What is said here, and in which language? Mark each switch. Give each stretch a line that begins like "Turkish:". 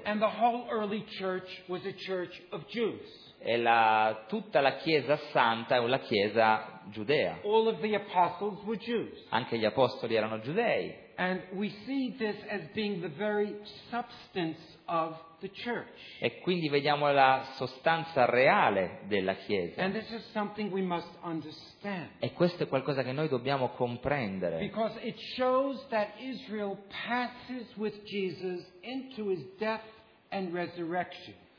English: And the whole early church was a church of Jews.
Italian: E tutta la Chiesa Santa è la Chiesa giudea.
English: All of the apostles were Jews.
Italian: Anche gli apostoli erano giudei.
English: And we see this as being the very substance of the church.
Italian: E quindi vediamo la sostanza reale della Chiesa.
English: And this is something we must understand.
Italian: E questo è qualcosa che noi dobbiamo comprendere.
English: Because it shows that Israel passes with Jesus into his death and resurrection.